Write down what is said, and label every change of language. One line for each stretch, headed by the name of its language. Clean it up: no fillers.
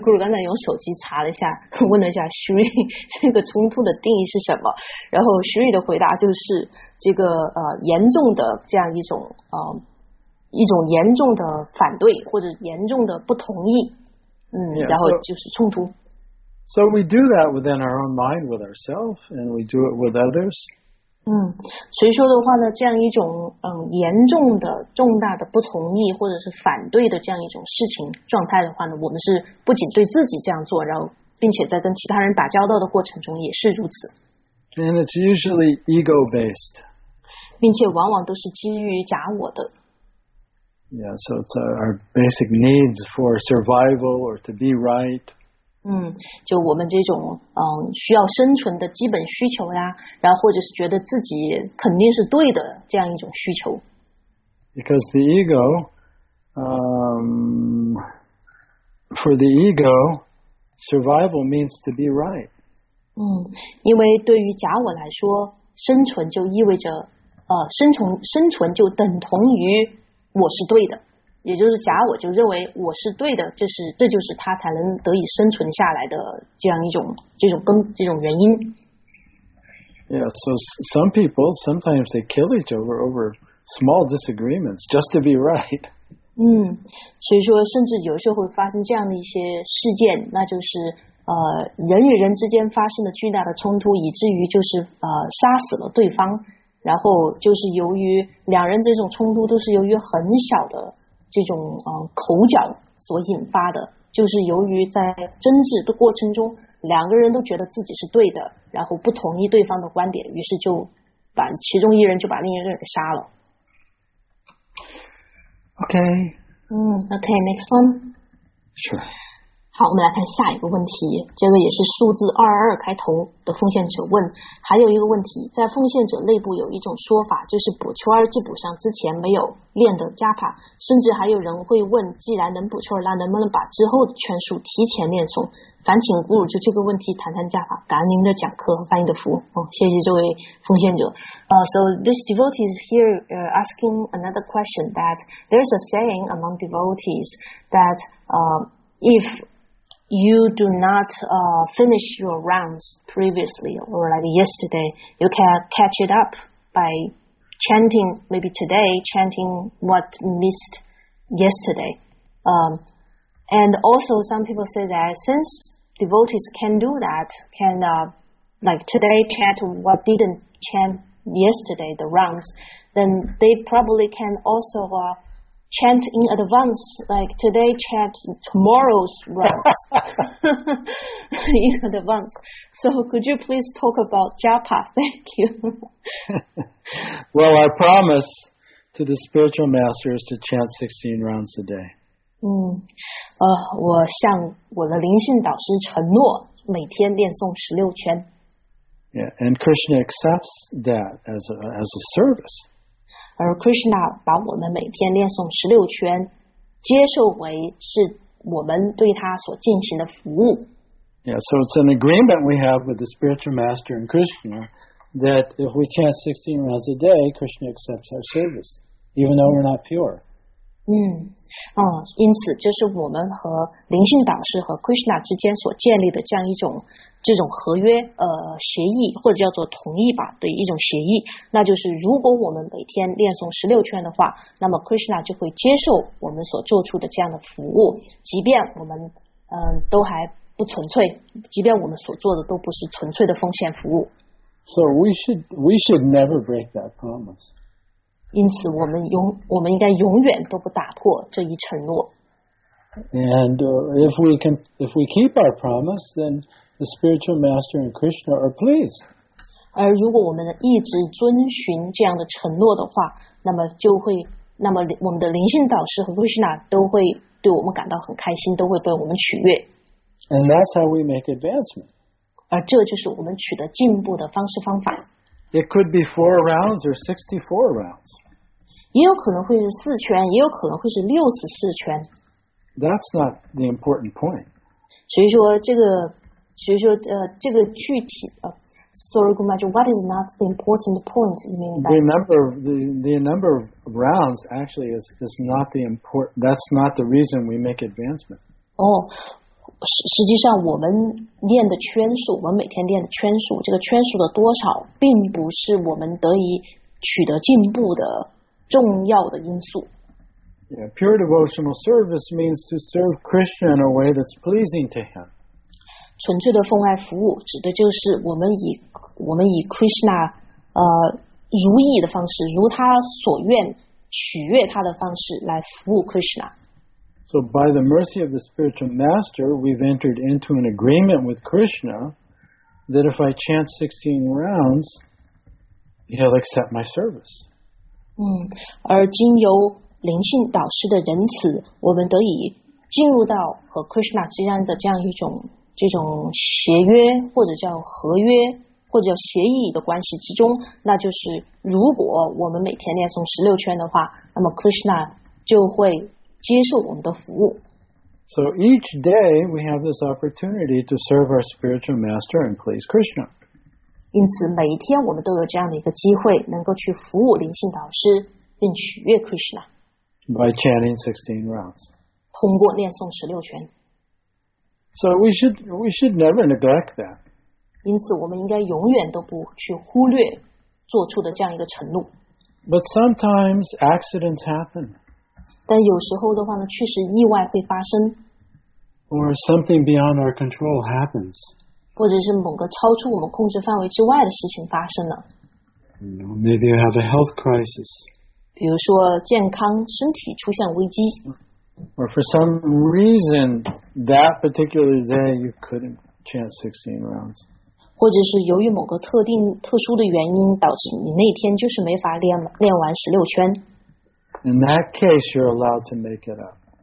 Chinese: 顾鲁刚才用手机查了一下，问了一下 Shuri 这个冲突的定义是什么。然后 Shuri 的回答就是这个严重的这样一种一种严重的反对或者严重的不同意。然后就是冲突。
English: So we do that within our own mind with ourselves, and we do it with others.
Chinese: 所以说的话呢，这样一种严重的、重大的不同意或者是反对的这样一种事情状态的话呢，我们是不仅对自己这样做，然后并且在跟其他人打交道的过程中也是如此。
English: And it's usually ego based.
Chinese: 并且往往都是基于假我的。
English: Yeah, so it's our basic needs for survival or to be right.
Chinese: 就我们这种需要生存的基本需求呀，然后或者是觉得自己肯定是对的这样一种需求。
English: Because the ego, for the ego, survival means to be right.
Chinese: 因为对于假我来说，生存就意味着生存就等同于我是对的。也就是假我就认为我是对的，这就是他才能得以生存下来的这种原因。
English: Yeah, so some people sometimes they kill each other over small disagreements just to be right.
Chinese: 所以说甚至有时候会发生这样的一些事件，那就是人与人之间发生了巨大的冲突，以至于就是杀死了对方，然后就是由于两人这种冲突都是由于很小的这种口角所引发的，就是由于在争执的过程中，两个人都觉得自己是对的，然后不同意对方的观点，于是就把其中一人就把另一个人给杀了。
English: OK. Okay, next one. Sure.
Chinese: 好，我们来看下一个问题，这个也是数字222开头的奉献者问，还有一个问题，在奉献者内部有一种说法，就是补圈既补上之前没有练的加帕，甚至还有人会问，既然能补圈，那能不能把之后的圈数提前练松？烦请顾鲁就这个问题谈谈加帕，感恩您的讲课和翻译的服务。谢谢这位奉献者。
English: So this devotee is here asking another question, that there's a saying among devotees that if you do not finish your rounds previously or like yesterday, you can catch it up by chanting maybe today, chanting what missed yesterday. And also some people say that since devotees can do that, can like today chant what didn't chant yesterday, the rounds, then they probably can also chant in advance, like today chant tomorrow's rounds in advance. So could you please talk about japa? Thank you. Well, our promise to the spiritual master is to chant 16 rounds a day.
Chinese: 我向我的灵性导师承诺每天练诵16圈。
English: Yeah, and Krishna accepts that as a service.
Chinese: 而 Krishna 把我们每天练诵16圈接受为是我们对他所进行的服务。
English: Yeah, so it's an agreement we have with the spiritual master and Krishna that if we chant 16 rounds a day, Krishna accepts our service, even though we're not pure.
Chinese: 因此这是我们和灵性导师和 Krishna 之间所建立的这样一种这种合约协议，或者叫做同意吧，对，一种协议，那就是如果我们每天练诵16圈的话，那么 Krishna 就会接受我们所做出的这样的服务，即便我们都还不纯粹，即便我们所做的都不是纯粹的奉献服务。
English: So we should never break that promise.
Chinese: 因此我们应该永远都不打破这一承诺。
English: And if we keep our promise, then the spiritual master and Krishna are pleased.
Chinese: 而如果我们一直遵循这样的承诺的话，那么就会，那么我们的灵性导师和 Krishna 都会对我们感到很开心，都会被我们取悦。
English: And that's how we make advancement.
Chinese: 而这就是我们取得进步的方式方法。
English: It could be 4 rounds or 64 rounds.
Chinese: 也有可能会是四圈，也有可能会是六次四圈。
English: That's not the important point.
Chinese: 所以说这个，所以说这个具体
English: Sorry, Gumaji, what is not the important point? You mean that? The number of rounds actually is not the important, that's not the reason we make advancement.
Chinese: Oh, 实际上我们练的圈数，我们每天练的圈数，这个圈数的多少并不是我们得以取得进步的重要的因素。
English: Yeah, pure devotional service means to serve Krishna in a way that's pleasing to him.
Chinese: 纯粹的奉爱服务指的就是我们以 Krishna 如意的方式，如他所愿，取悦他的方式来服务 Krishna。
English: So by the mercy of the spiritual master, we've entered into an agreement with Krishna that if I chant 16 rounds, he'll accept my service.
Chinese: 而经由灵性导师的仁慈，我们得以进入到和 Krishna 之间的这样一种这种协约，或者叫合约，或者叫协议的关系之中，那就是如果我们每天念诵十六圈的话，那么 Krishna 就会接受我们的服务。
English: So each day we have this opportunity to serve our spiritual master and please Krishna.
Chinese: 因此每一天我们都有这样的一个机会，能够去服务灵性导师，并取悦 Krishna.
English: By chanting 16 rounds.
Chinese: 通过念诵十六圈。
English: So we should never neglect that.
Chinese: 因此我们应该永远都不去忽略做出的这样一个承诺。
English: But sometimes accidents happen.
Chinese: 但有时候的话呢，确实意外会发生。
English: Or something beyond our control happens.
Chinese: 或者是某个超出我们控制范围之外的事情发生了。
English: Maybe you have a health crisis.
Chinese: 比如说健康身体出现危机。
English: Or for some reason, that particular day, you couldn't chant 16 rounds.
Chinese: 或者是由于某个特定特殊的原因，导致你那天就是没法练完16圈。
English: In that case, you're allowed to make it up.